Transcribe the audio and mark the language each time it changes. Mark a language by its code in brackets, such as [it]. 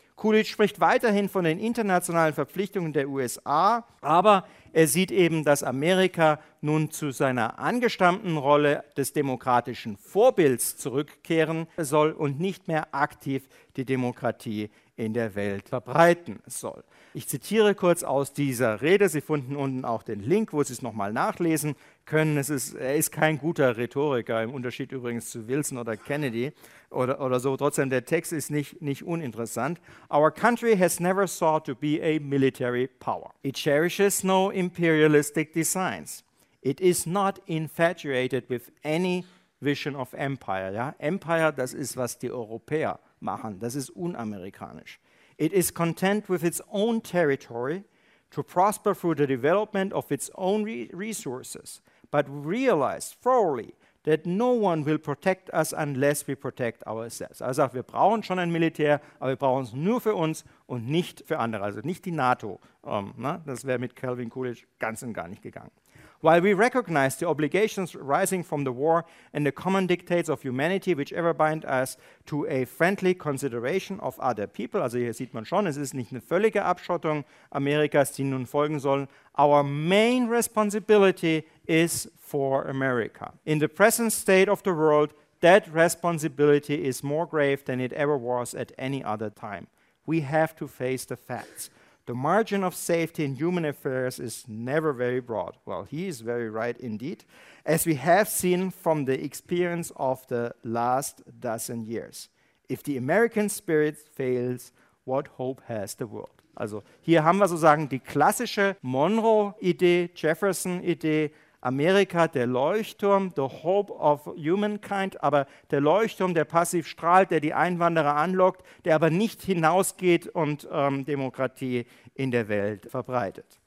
[de] Coolidge spricht weiterhin von den internationalen Verpflichtungen der USA, aber er sieht eben, dass Amerika nun zu seiner angestammten Rolle des demokratischen Vorbilds zurückkehren soll und nicht mehr aktiv die Demokratie in der Welt verbreiten soll. Ich zitiere kurz aus dieser Rede. Sie finden unten auch den Link, wo Sie es nochmal nachlesen können. Er ist kein guter Rhetoriker, im Unterschied übrigens zu Wilson oder Kennedy oder so. Trotzdem, der Text ist nicht uninteressant. [en] Our country has never sought to be a military power. It cherishes no imperialistic designs. It is not infatuated with any vision of empire. Ja? [de] Empire, das ist, was die Europäer machen. Das ist unamerikanisch. [en] It is content with its own territory to prosper through the development of its own resources, but realized thoroughly that no one will protect us unless we protect ourselves. [de] Also sagt, wir brauchen schon ein Militär, aber wir brauchen es nur für uns und nicht für andere, also nicht die NATO. Das wäre mit Calvin Coolidge ganz und gar nicht gegangen. [en] While we recognize the obligations arising from the war and the common dictates of humanity, which ever bind us to a friendly consideration of other people, [de] also hier sieht man schon, es ist nicht eine völlige Abschottung Amerikas, die nun folgen sollen, [en] our main responsibility is for America. In the present state of the world, that responsibility is more grave than it ever was at any other time. We have to face the facts. The margin of safety in human affairs is never very broad. Well, he is very right indeed, as we have seen from the experience of the last dozen years. If the American spirit fails, what hope has the world? [de] Also hier haben wir sozusagen die klassische Monroe-Idee, Jefferson-Idee, Amerika, der Leuchtturm, [en] the hope of humankind, [de] aber der Leuchtturm, der passiv strahlt, der die Einwanderer anlockt, der aber nicht hinausgeht und Demokratie in der Welt verbreitet.